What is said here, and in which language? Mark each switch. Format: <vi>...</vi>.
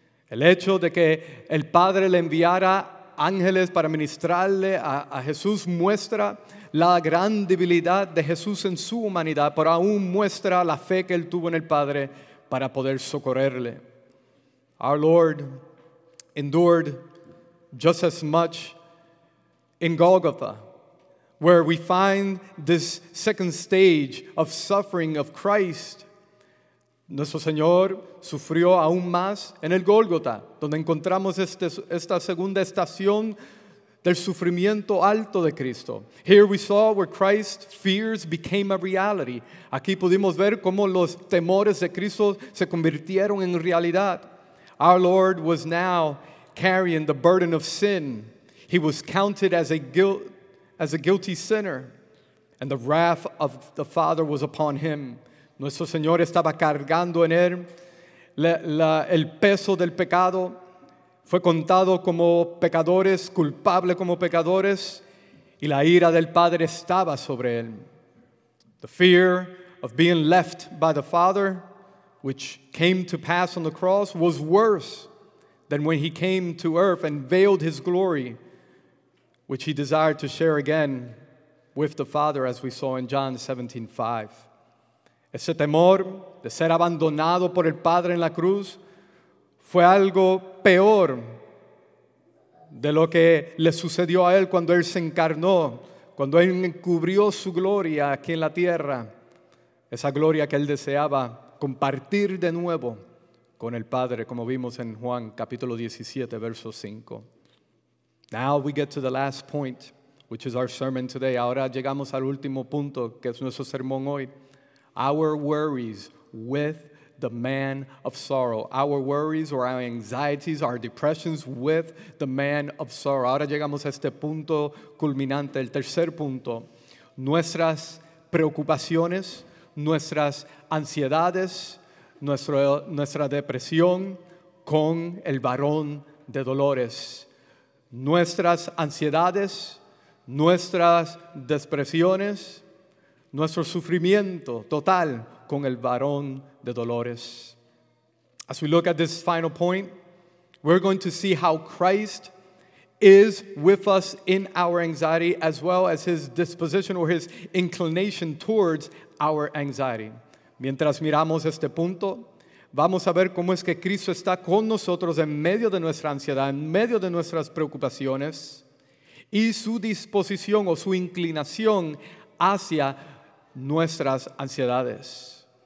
<es>El hecho de que el Padre le enviara ángeles para ministrarle a Jesús muestra la gran debilidad de Jesús en su humanidad, pero aún muestra la fe que él tuvo en el Padre para poder socorrerle.</es> <en>Our Lord endured just as much in Golgotha, where we find this second stage of suffering of Christ.</en> <es>Nuestro Señor sufrió aún más en el Gólgota, donde encontramos esta segunda estación del sufrimiento alto de Cristo.</es> <en>Here we saw where Christ's fears became a reality.</en> <es>Aquí pudimos ver cómo los temores de Cristo se convirtieron en realidad.</es> <en>Our Lord was now carrying the burden of sin. He was counted as a guilty sinner, and the wrath of the Father was upon him.</en> <es>Nuestro Señor estaba cargando en él el peso del pecado. Fue contado como pecadores, culpable como pecadores, y la ira del Padre estaba sobre él.</es> <en>The fear of being left by the Father, which came to pass on the cross, was worse than when he came to earth and veiled his glory, which he desired to share again with the Father, as we saw in John 17:5.</en> <es>Ese temor de ser abandonado por el Padre en la cruz fue algo peor de lo que le sucedió a él cuando él se encarnó, cuando él encubrió su gloria aquí en la tierra, esa gloria que él deseaba compartir de nuevo con el Padre, como vimos en Juan capítulo 17, verso 5.</es> <en>Now we get to the last point, which is our sermon today.</en> <es>Ahora llegamos al último punto, que es nuestro sermón hoy.</es> <en>Our worries with the man of sorrow. Our worries or our anxieties, our depressions with the man of sorrow.</en> <es>Ahora llegamos a este punto culminante, el tercer punto. Nuestras preocupaciones, nuestras ansiedades, nuestra depresión con el varón de dolores. Nuestras ansiedades, nuestras depresiones, nuestro sufrimiento total con el varón de dolores.</es> <en>As we look at this final point, we're going to see how Christ is with us in our anxiety, as well as his disposition or his inclination towards our anxiety.</en> <es>Mientras miramos este punto, vamos a ver cómo es que Cristo está con nosotros en medio de nuestra ansiedad, en medio de nuestras preocupaciones, y su disposición o su inclinación hacia nuestras ansiedades.</es>